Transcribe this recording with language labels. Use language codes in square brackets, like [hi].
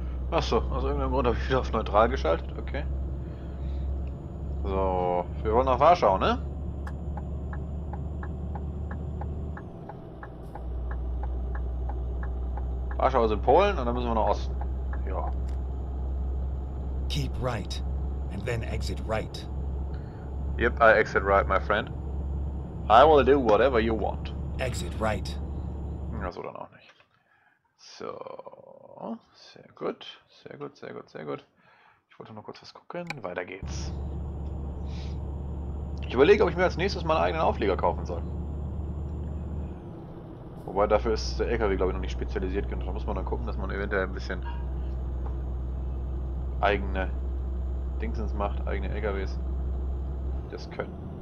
[de] Achso, aus irgendeinem Grund habe ich wieder auf neutral geschaltet. Okay. So, wir wollen nach Warschau, ne? Warschau ist in Polen und dann müssen wir nach Osten. Ja. [en] Keep right and then exit right. Yep, I exit right, my friend. I will do whatever you want. Exit right. [de] Achso, dann auch nicht. So, sehr gut, sehr gut, sehr gut, sehr gut. Ich wollte noch kurz was gucken. Weiter geht's. Ich überlege, ob ich mir als nächstes meinen eigenen Auflieger kaufen soll. Wobei, dafür ist der LKW, glaube ich, noch nicht spezialisiert genug. Da muss man dann gucken, dass man eventuell ein bisschen eigene Dingsens macht, eigene LKWs. Das können.